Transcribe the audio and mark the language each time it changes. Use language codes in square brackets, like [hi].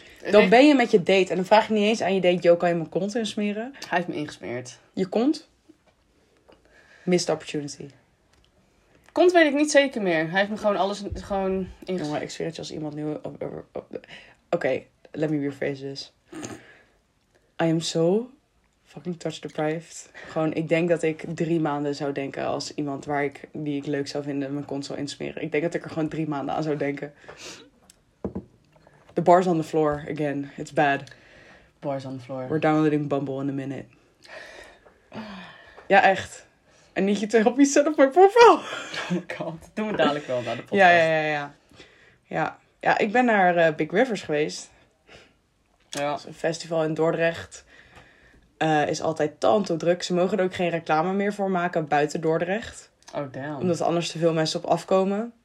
[nl] Dan ben je met je date en dan vraag je niet eens aan je date, joh, kan je mijn kont insmeren? Hij heeft me ingesmeerd. Je kont? [en] Missed opportunity. [nl] Kont weet ik niet zeker meer. Hij heeft me gewoon alles gewoon ingesmeerd. Jongen, ik zweer het je als iemand nieuw... [en] Oké, let me rephrase this. I am so fucking touch deprived. [nl] Gewoon, ik denk dat ik 3 maanden zou denken als iemand waar ik die ik leuk zou vinden mijn kont zou insmeren. Ik denk dat ik er gewoon 3 maanden aan zou denken. [en] The bar's on the floor again. It's bad. Bar's on the floor. We're downloading Bumble in a minute. [nl] Ja, echt. [en] I need you to help me set up my profile. Oh god. [nl] Doen we dadelijk wel naar de podcast. Ja. Ja, ik ben naar Big Rivers geweest. Ja. Dat is een festival in Dordrecht. Is altijd tanto druk. Ze mogen er ook geen reclame meer voor maken buiten Dordrecht. [en] Oh damn. [nl] Omdat anders te veel mensen op afkomen.